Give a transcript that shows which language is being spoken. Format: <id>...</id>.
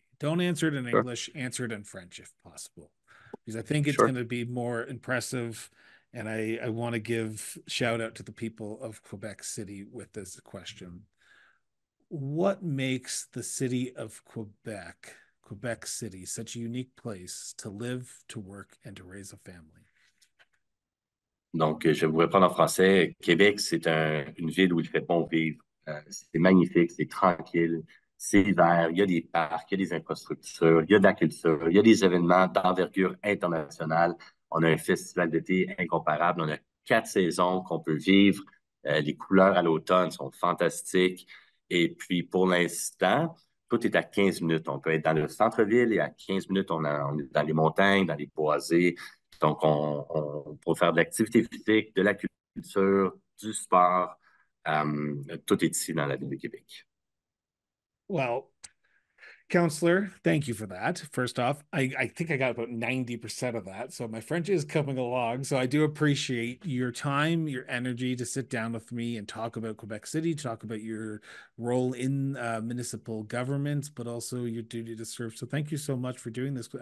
<en>Don't answer it in English. Answer it in French, if possible. Because I think it's going to be more impressive, and I want to give shout out to the people of Quebec City with this question. What makes the city of Quebec, Quebec City, such a unique place to live, to work, and to raise a family?</en> <fr>Donc, je vous réponds en français. Québec, c'est une ville où il fait bon vivre. C'est magnifique, c'est tranquille. C'est vert, il y a des parcs, il y a des infrastructures, il y a de la culture, il y a des événements d'envergure internationale. On a un festival d'été incomparable, on a quatre saisons qu'on peut vivre. Les couleurs à l'automne sont fantastiques. Et puis, pour l'instant, tout est à 15 minutes. On peut être dans le centre-ville et à 15 minutes, on est dans les montagnes, dans les boisés. Donc, on peut faire de l'activité physique, de la culture, du sport. Tout est ici dans la ville de Québec.</fr> <en>Well, Councillor, thank you for that. First off, I think I got about 90% of that. So my French is coming along. So I do appreciate your time, your energy to sit down with me and talk about Quebec City, talk about your role in municipal governments, but also your duty to serve. So thank you so much for doing this.</en>